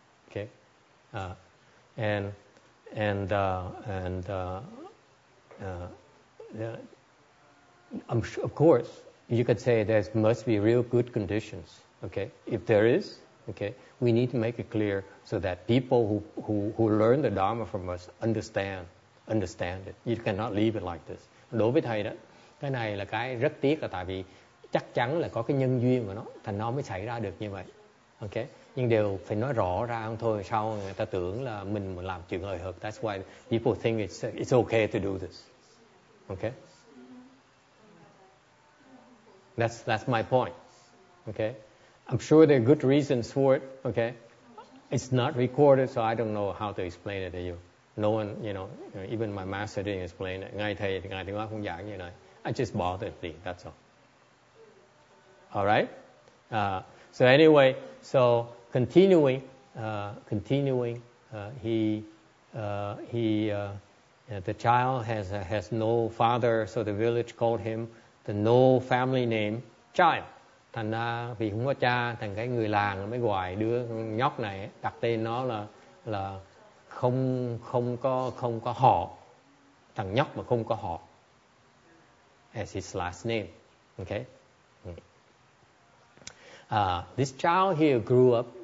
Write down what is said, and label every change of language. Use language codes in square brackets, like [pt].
[en] Okay, of course, you could say there must be real good conditions. Okay, if there is, okay, we need to make it clear so that people who learn the Dharma from us understand it. You cannot leave it like this. [vi] Đối với thầy đó, cái này là cái rất tiếc là tại vì chắc chắn là có cái nhân duyên của nó, thành nó mới xảy ra được như vậy. Okay. Nhưng đều phải nói rõ ra không thôi, sau người ta tưởng là mình làm chuyện hời hợt. [en] That's why people think it's okay to do this. Okay? That's my point. Okay? I'm sure there are good reasons for it. Okay? It's not recorded, so I don't know how to explain it to you. No one, you know, even my master didn't explain it. [vi] Ngài thầy, ngài tiếng Hoa không giảng như này. [en] I just bought it, that's all. Alright? So anyway, so the child has no father, so the village called him the no family name child. [vi] Thành ra vì không có cha, thành cái người làng mới gọi đứa nhóc này đặt tên nó là không có họ, thằng nhóc mà không có họ, [en] as his last name. Okay. This child here grew up